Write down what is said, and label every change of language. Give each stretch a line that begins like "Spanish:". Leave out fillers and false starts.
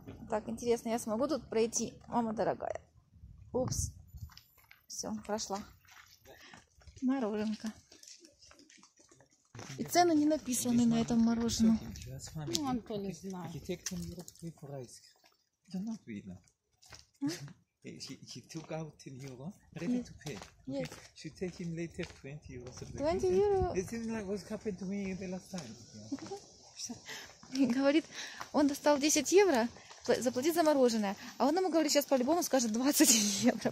Russian: Так, интересно, я смогу тут пройти? Мама дорогая. Упс. Все, прошла. Мороженка. И цены не написаны на этом мороженом. Ну, Антон не знал. Архитектор Европы Курайск. Да, ну, видно.
English: He took out 10 euro, ready to pay. Yes. Okay. Should take him later 20 euros. 20 euro. It seems like what happened to me the last time.
Russian: Говорит, он достал 10 евро, заплатит за мороженое. А он ему говорит, сейчас по-любому скажет 20 евро.